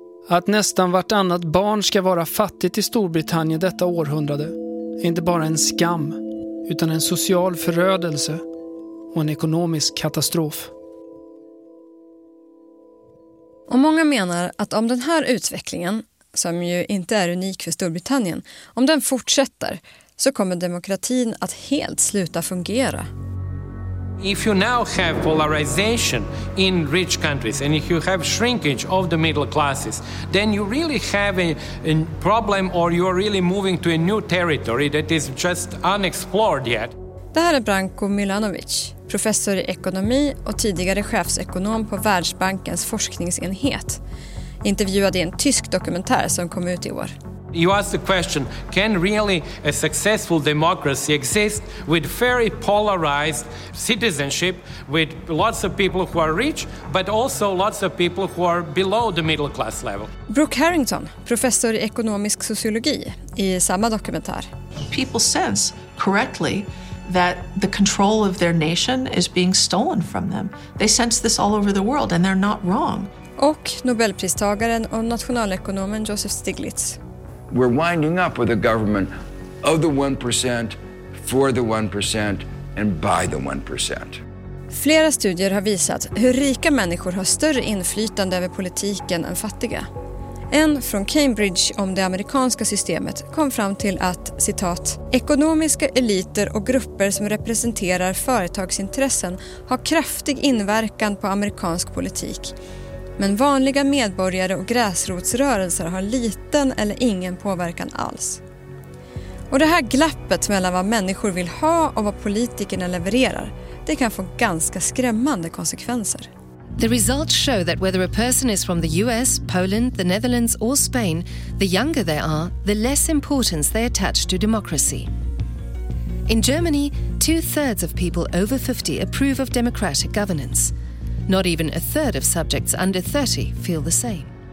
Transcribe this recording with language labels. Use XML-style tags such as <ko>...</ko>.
<sv>att nästan vartannat barn ska vara fattigt i Storbritannien detta århundrade är inte bara en skam, utan en social förödelse och en ekonomisk katastrof. Och många menar att om den här utvecklingen, som ju inte är unik för Storbritannien, om den fortsätter så kommer demokratin att helt sluta fungera.</sv> <en>If you now have polarization in rich countries and if you have shrinkage of the middle classes, then you really have a problem, or you are really moving to a new territory that is just unexplored yet.</en> <sv>Det här är Branko Milanović, professor i ekonomi och tidigare chefsekonom på Världsbankens forskningsenhet, intervjuad i en tysk dokumentär som kom ut i år.</sv> <en>You ask the question, can really a successful democracy exist with very polarized citizenship, with lots of people who are rich, but also lots of people who are below the middle class level?</en> <sv>Brooke Harrington, professor i ekonomisk sociologi, i samma dokumentär.</sv> <en>People sense correctly that the control of their nation is being stolen from them. They sense this all over the world and they're not wrong.</en> <sv>Och Nobelpristagaren och nationalekonomen Joseph Stiglitz.</sv> <en>We're winding up with a government of the 1%, for the 1%, and by the 1%.</en> <sv>Flera studier har visat hur rika människor har större inflytande över politiken än fattiga. En från Cambridge om det amerikanska systemet kom fram till att, citat, ekonomiska eliter och grupper som representerar företagsintressen har kraftig inverkan på amerikansk politik. Men vanliga medborgare och gräsrotsrörelser har liten eller ingen påverkan alls. Och det här glappet mellan vad människor vill ha och vad politikerna levererar, det kan få ganska skrämmande konsekvenser.</sv> <en>The results show that whether a person is from the US, Poland, the Netherlands or Spain, the younger they are, the less importance they attach to democracy. In Germany, 2/3 of people over 50 approve of democratic governance. Not even a third of subjects under 30 feel the same.</en>